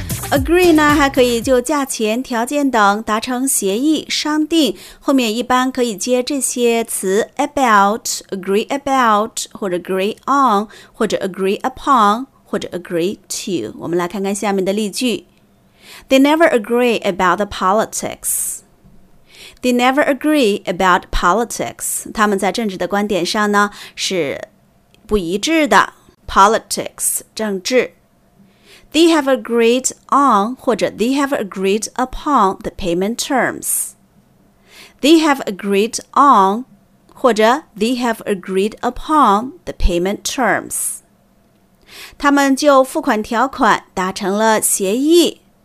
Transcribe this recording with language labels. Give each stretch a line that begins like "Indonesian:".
Chinese: Agree 呢，还可以就价钱、条件等达成协议、商定，后面一般可以接这些词 about, agree about, 或者 agree on, 或者 agree upon, 或者 agree to。我们来看看下面的例句。
English: They never agree about the politics. They never agree about politics.
Chinese: 他们在政治的观点上呢，是不一致的。 Politics, 政治。
English: They have agreed on,
Chinese: 或者
English: they have agreed upon the payment terms. They have agreed on, 或者 they have agreed upon the payment terms.
Chinese: 他们就付款条款达成了协议。